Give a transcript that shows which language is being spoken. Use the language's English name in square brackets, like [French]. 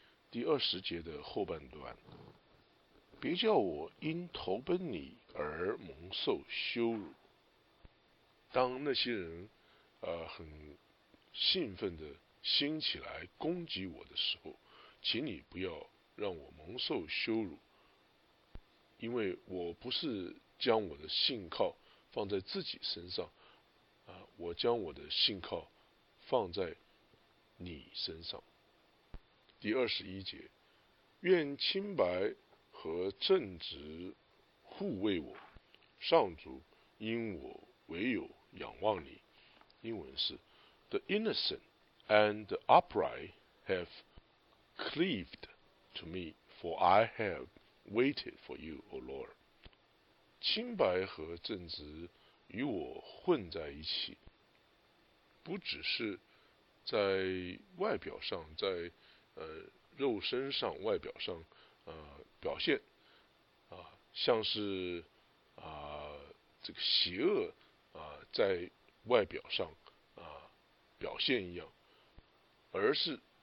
[Chinese] 第二十节的后半段，别叫我因投奔你而蒙受羞辱，当那些人很兴奋的兴起来攻击我的时候，请你不要让我蒙受羞辱，因为我不是将我的信靠放在自己身上我将我的信靠放在你身上。第二十一节，愿清白和正直护卫我，上主因我唯有仰望你，英文是 [English] The innocent and the upright have cleaved to me, for I have waited for you, O Lord。 [Chinese] 清白和正直与我混在一起，不只是在外表上，在肉身上外表上表现像是这个邪恶在外表上表现一样，而是